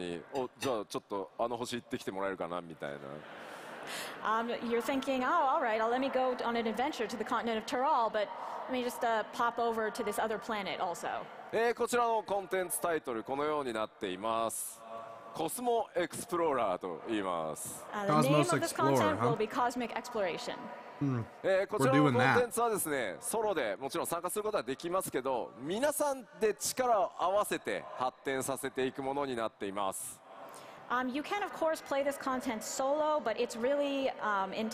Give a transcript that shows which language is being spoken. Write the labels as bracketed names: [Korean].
[Japanese] トラル大陸で冒険だとか言ってるのに、じゃあちょっとあの星行ってきてもらえるかなみたいな。 [English] You're thinking, oh, all right, I'll let me go on an adventure to the continent of Tyrol, but let me just pop over to this other planet also. [Japanese] こちらのコンテンツタイトルこのようになっています。コスモエクスプローラーと言います。 [English] The name of this content will be Cosmic Exploration. [Japanese] こちらのコンテンツはですね、ソロでもちろん参加することはできますけど、皆さんで力を合わせて発展させていくものになっています。 [English] You can of course play this content solo, but it's really intended.